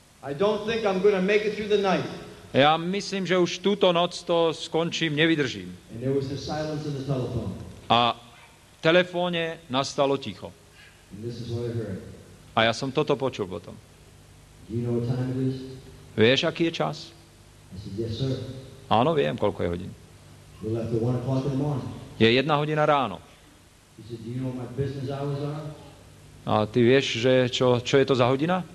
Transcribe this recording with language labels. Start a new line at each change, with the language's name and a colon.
English: I don't think I'm gonna make it through the night.
Slovak: Ja myslím, že už túto noc to skončím, nevydržím.
English: And there was a silence in the telephone.
Slovak: A v telefóne nastalo ticho.
English: And this is what I heard.
Slovak: A ja som toto počul potom.
English: Do you know what time it is?
Slovak: Vieš, aký je čas?
English: I said, yes, sir.
Slovak: Áno, viem, koľko je hodín.
English: We're left at 1:00 in the morning.
Slovak: Je jedna hodina ráno.
English: He said, do you know what my business hours are?
Slovak: A ty vieš, že čo je to za hodina?